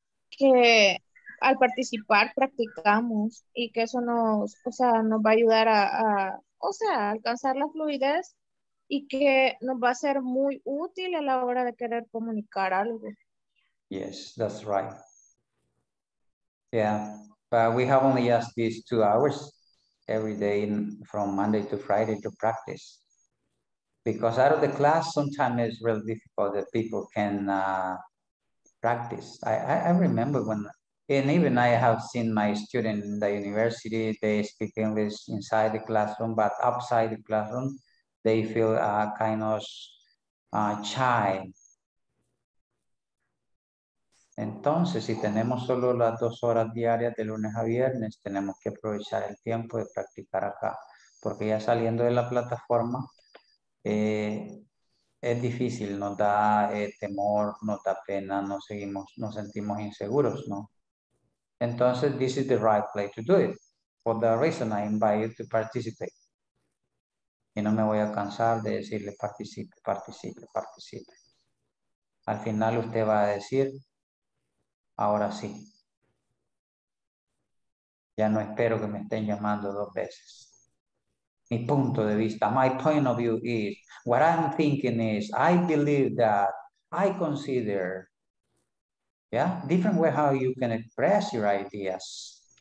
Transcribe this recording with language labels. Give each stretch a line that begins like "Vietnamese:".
Spanish: Que al participar practicamos, y que eso nos, o sea, nos va a ayudar a alcanzar la fluidez, y que nos va a ser muy útil a la hora de querer comunicar algo.
English: Yes, that's right. Yeah, but we have only just these 2 hours every day from Monday to Friday to practice. Because out of the class, sometimes it's really difficult that people can practice. I remember when, and even I have seen my students in the university, they speak English inside the classroom, but outside the classroom, they feel kind of shy.
Spanish: Entonces, si tenemos solo las 2 horas diarias de lunes a viernes, tenemos que aprovechar el tiempo de practicar acá. Porque ya saliendo de la plataforma, es difícil, nos da temor, nos da pena, nos sentimos inseguros, ¿no?
English: Entonces, this is the right place to do it. For that reason, I invite you to participate.
Spanish: Y no me voy a cansar de decirle participe, participe, participe. Al final usted va a decir, ahora sí. Ya no espero que me estén llamando dos veces. Mi punto de vista,
English: my point of view is, what I'm thinking is, I believe that, I consider. Yeah, different way how you can express your ideas.